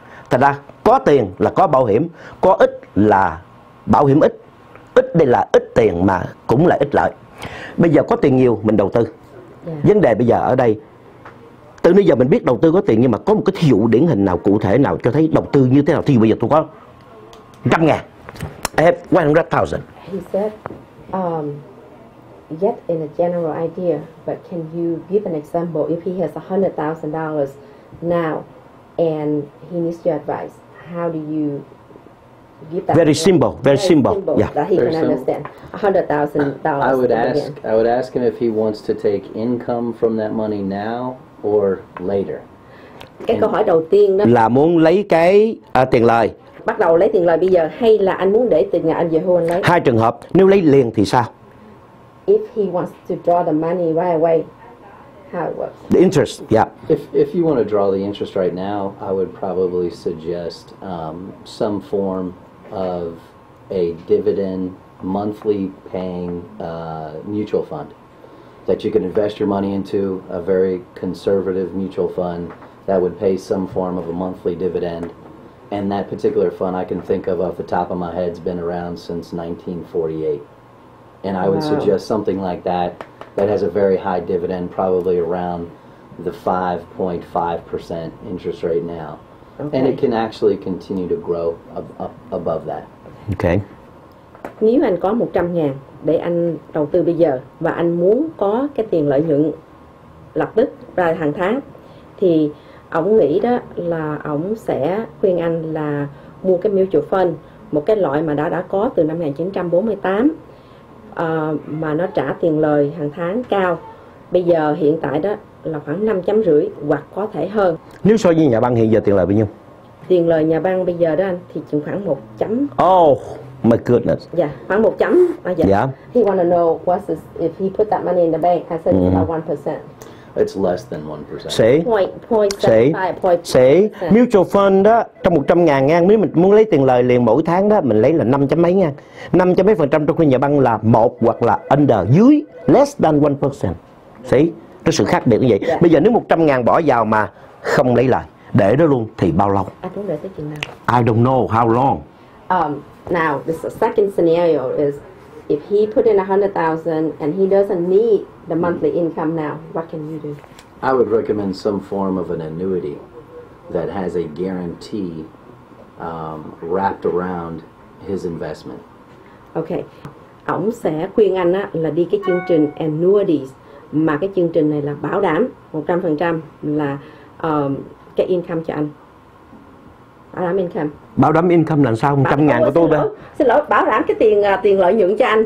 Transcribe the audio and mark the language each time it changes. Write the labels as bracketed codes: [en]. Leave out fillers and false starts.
[vi] Thành ra có tiền là có bảo hiểm, có ít là bảo hiểm ít. Ít đây là ít tiền mà cũng là ít lợi. Bây giờ có tiền nhiều mình đầu tư. [en] Yeah. [vi] Vấn đề bây giờ ở đây, từ bây giờ mình biết đầu tư có tiền, nhưng mà có một cái thí dụ điển hình nào cụ thể nào cho thấy đầu tư như thế nào? Thí dụ bây giờ tôi có 100,000. [en] I have 100,000. He said, yet in a general idea, but can you give an example if he has $100,000 now and he needs your advice? How do you... Very simple, very simple. Yeah. That he can understand. $100,000. I would ask him if he wants to take income from that money now or later. [vi] Cái câu hỏi đầu tiên đó là muốn lấy cái tiền lời. Bắt đầu lấy tiền lời bây giờ hay là anh muốn để tiền nhà anh về hưu anh lấy? Hai trường hợp, nếu lấy liền thì sao? [en] If he wants to draw the money right away, how it works. The interest, yeah. If you want to draw the interest right now, I would probably suggest some form of a dividend monthly paying mutual fund that you can invest your money into, a very conservative mutual fund that would pay some form of a monthly dividend. And that particular fund I can think of off the top of my head has been around since 1948. And I would suggest something like that that has a very high dividend, probably around the 5.5% interest rate now. Okay. And it can actually continue to grow above that. Okay. [vi] Nếu anh có 100.000 để anh đầu tư bây giờ và anh muốn có cái tiền lợi nhuận lập tức ra hàng tháng thì ổng nghĩ đó là ổng sẽ khuyên anh là mua cái mutual fund, một cái loại mà đã có từ năm 1948 mà nó trả tiền lời hàng tháng cao. Bây giờ hiện tại đó là khoảng 5.5 hoặc có thể hơn. Nếu so với nhà băng hiện giờ tiền lời bao nhiêu? Tiền lời nhà băng bây giờ đó anh thì chừng khoảng 1 chấm. [en] Oh my goodness. [vi] Yeah, khoảng 1 chấm. [en] Yeah. He want to know what's this, if he put that money in the bank, I said it's about 1%. It's less than 1%. See? Point seven five. [vi] Mutual fund đó trong 100.000 ngang, nếu mình muốn lấy tiền lời liền mỗi tháng đó mình lấy là 5.5%. 5.5% trong khi nhà băng là 1 hoặc là under, dưới, [en] less than 1%. [vi] See? Cái sự khác biệt như vậy. [en] Yeah. [vi] Bây giờ nếu 100.000 bỏ vào mà không lấy lời, để đó luôn thì bao lâu? Anh muốn để tới chừng nào? [en] I don't know how long. Now the second scenario is if he put in 100,000 and he doesn't need the monthly income now, what can you do? I would recommend some form of an annuity that has a guarantee wrapped around his investment. Okay. [vi] Ông sẽ khuyên anh á là đi cái chương trình annuities, mà cái chương trình này là bảo đảm 100% là cái income cho anh. Bảo đảm income. Bảo đảm income là sao? 100.000 của tôi xin lỗi, xin lỗi, bảo đảm cái tiền tiền lợi nhuận cho anh.